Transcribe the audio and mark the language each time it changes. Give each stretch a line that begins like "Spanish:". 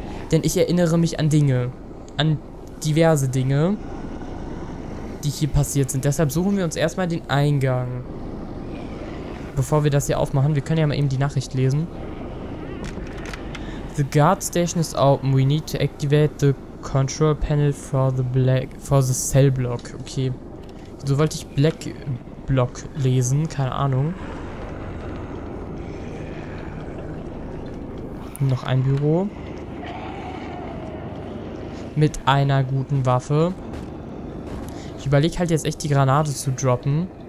German: Denn ich erinnere mich an Dinge. An diverse Dinge, die hier passiert sind. Deshalb suchen wir uns erstmal den Eingang. Bevor wir das hier aufmachen, wir können ja mal eben die Nachricht lesen.
English: The guard station is open. We need to activate the control panel for the black... for the cell block. Okay.
German: So wollte ich
English: Black...
German: Block lesen, keine Ahnung. Noch ein Büro. Mit einer guten Waffe. Ich überlege halt jetzt echt die Granate zu droppen.